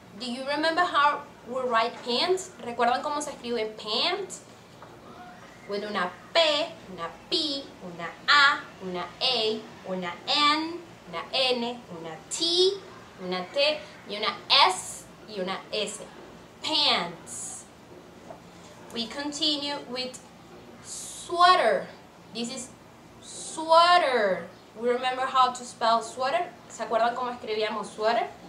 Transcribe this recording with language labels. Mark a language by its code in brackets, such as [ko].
[en] Do you remember how we write pants? [es] ¿Recuerdan cómo se escribe pants? With una P, una P, una A, una A, una N, una N, una T, una T, y una S y una S. [en] Pants. We continue with sweater. This is sweater. We remember how to spell sweater? [es] ¿Se acuerdan cómo escribíamos sweater?